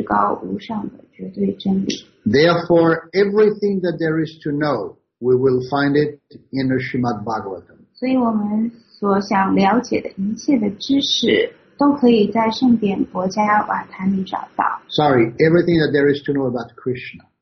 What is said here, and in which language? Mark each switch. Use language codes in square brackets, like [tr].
[en] Therefore, everything that there is to know, we will find it in the Srimad Bhagavatam. [zh] 所以我们所想了解的一切的知识都可以在圣典博迦瓦坛里找到。 [en] Sorry, everything that there is to know about Krishna.